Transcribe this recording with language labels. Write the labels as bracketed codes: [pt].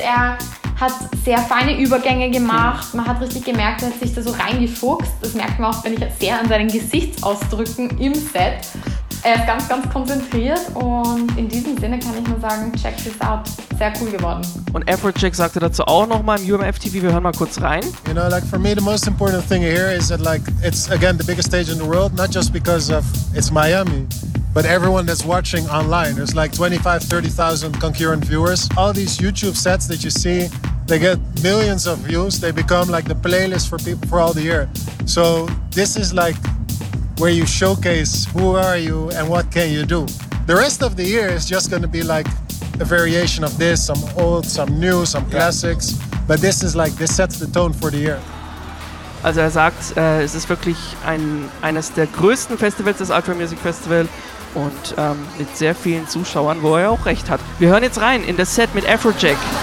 [de] Er hat sehr feine Übergänge gemacht. Man hat richtig gemerkt, er hat sich da so reingefuchst. Das merkt man auch, wenn ich sehr an seinen Gesichtsausdrücken im Set. Er ist ganz, ganz konzentriert. Und in diesem Sinne kann ich nur sagen, [en] check this out. [de] Sehr cool geworden. Und Afrojack sagte dazu auch nochmal im UMF-TV. Wir hören mal kurz rein. [en] You know, like for me, the most important thing here is that like it's again the biggest stage in the world. Not just because of it's Miami. But everyone that's watching online, there's like 25,000-30,000 concurrent viewers. All these YouTube sets that you see, they get millions of views. They become like the playlist for people for all the year. So this is like where you showcase who are you and what can you do. The rest of the year is just going to be like a variation of this, some old, some new, some classics. Yeah. But this is like, this sets the tone for the year. [de] Also er sagt, es ist wirklich eines der größten Festivals, das Ultra Music Festival. Und mit sehr vielen Zuschauern, wo er auch recht hat. Wir hören jetzt rein in das Set mit Afrojack.